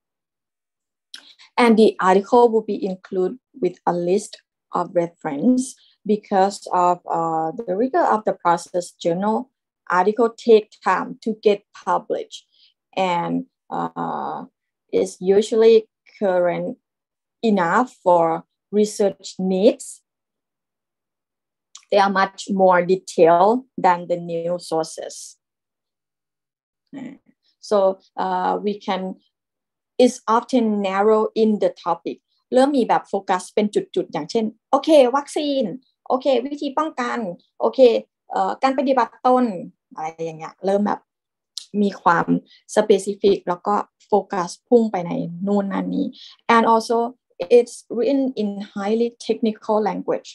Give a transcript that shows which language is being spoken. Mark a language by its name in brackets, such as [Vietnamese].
[English] ๆ and the article will be included with a list of reference because of the rigor of the process journal article take time to get published and is usually current enough for research needsThey are much more detailed than the new sources. So we can, it's often narrow in the topic. [Thai] เริ่มมีแบบโฟกัสเป็นจุดๆอย่างเช่นโอเควัคซีนโอเควิธีป้องกันโอเคการปฏิบัติตนอะไรอย่างเงี้ยเริ่มแบบมีความ specific แล้วก็โฟกัสพุ่งไปในนู่นนั่นนี้ [English] and also it's written in highly technical language.